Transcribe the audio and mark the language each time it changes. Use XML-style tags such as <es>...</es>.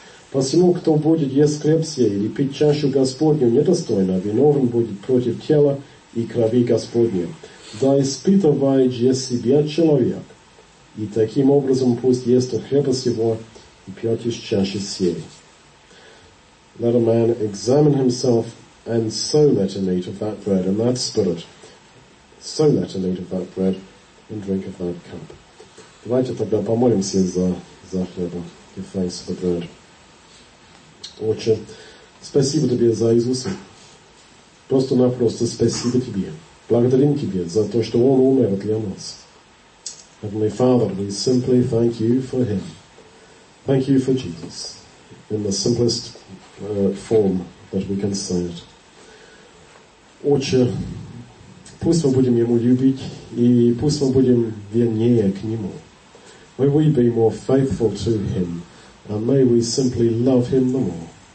<ru>Посему, кто будет есть хлеб сей или пить чашу Господню недостойно, виновен будет против тела и крови Господня. Да испытывает же себя человек. И таким образом пусть ест от хлеба сего и пьет из чаши сей.</ru> <en>Let a man examine himself, and so let him eat of that bread and that spirit. So let him eat of that bread and drink of that cup.</en> <ru>Давайте тогда помолимся за хлеба,</ru> <en>give thanks for the bread.</en> <ru>Отче, спасибо Тебе за Иисуса. Просто-напросто спасибо Тебе. Благодарим Тебе за то, что Он умер для нас.</ru> <en>Heavenly Father, we simply thank you for Him. Thank you for Jesus, in the simplest form that we can say it.</en> <ru>Отче, пусть мы будем Ему любить, и пусть мы будем вернее к Нему.</ru> <en>May we be more faithful to Him, and may we simply love Him the more.</en>